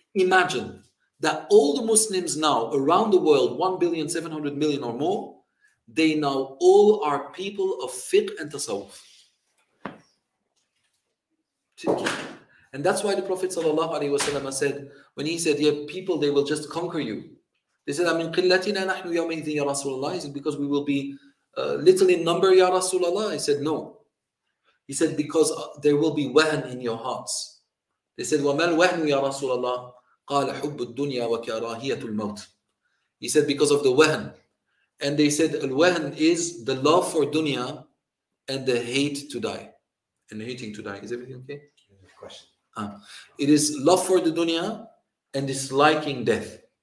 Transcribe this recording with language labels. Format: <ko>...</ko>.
<en>Imagine that all the Muslims now around the world, 1,700,000,000 or more, they now all are people of fiqh and tasawwuf. And that's why the Prophet ﷺ said, when he said, yeah, people, they will just conquer you. They said,</en> <ar>أَمِنْ قِلَّتِنَا نَحْنُ يَوْمَئِذٍ يَا رَسُولَ اللَّهِ.</ar> <en>Is it because we will be little in number, Ya Rasulallah? He said, no. He said, because there will be wahn in your hearts. They said,</en> <ar>وَمَا الْوَهْنُ يَا رَسُولَ اللَّهِ قَالَ حُبُّ الدُّنْيَا وَكَرَاهِيَةُ الْمَوْتِ.</ar> <en>He said, because of the wahn. And they said, الْوَهْن is the love for dunya and the hate to die. And hating to die. Is everything okay? It is love for the dunya and disliking death.</en>